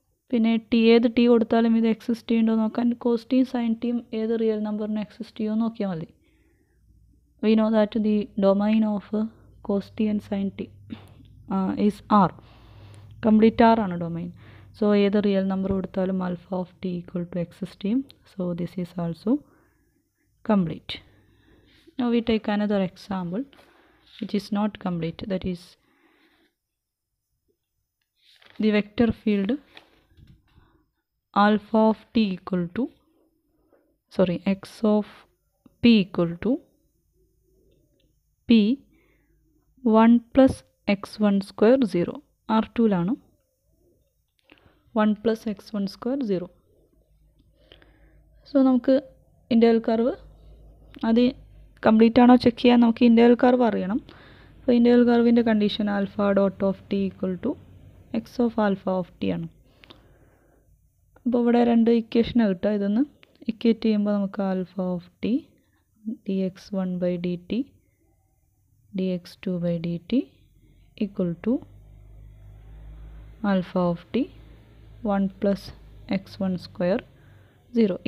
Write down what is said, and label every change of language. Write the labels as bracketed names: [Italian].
[Malayalam] പിന്നെ ടി ഏത് ടി കൊടുത്താലും ഇത് എക്സിസ്റ്റ് ചെയ്യുന്നുണ്ടോ നോക്കാൻ, കോസ് ടിയും സൈൻ ടിയും ഏത് റിയൽ നമ്പറിനും എക്സിസ്റ്റ് ചെയ്യുമെന്ന് നോക്കിയാൽ മതി. [English] we know that the domain of cos t and sine t is R, [Malayalam] complete R ആണ് ഡൊമൈൻ. സോ ഏത് റിയൽ നമ്പർ കൊടുത്താലും alpha of T equal to exist ചെയ്യും. [English] So this is also complete. Now we take another example which is not complete, that is the vector field alpha of t equal to x of p equal to p 1 plus x1 square 0 r2 ലാണ് 1 plus x1 square 0. [Malayalam] So നമുക്ക് integral curve അത് complete ആണോ check ചെയ്യാൻ നമുക്ക് integral curve അറിയണം. അപ്പോൾ integral കർവിൻ്റെ condition alpha dot of T equal to X of alpha of T ആണ്. അപ്പോൾ ഇവിടെ രണ്ട് ഇക്വേഷനാണ് കിട്ടുക, ഇതൊന്ന് ഇക്വേറ്റ് ചെയ്യുമ്പോൾ നമുക്ക് alpha of T D X one by D T D X to by D T equal to alpha of T one plus X one square zero.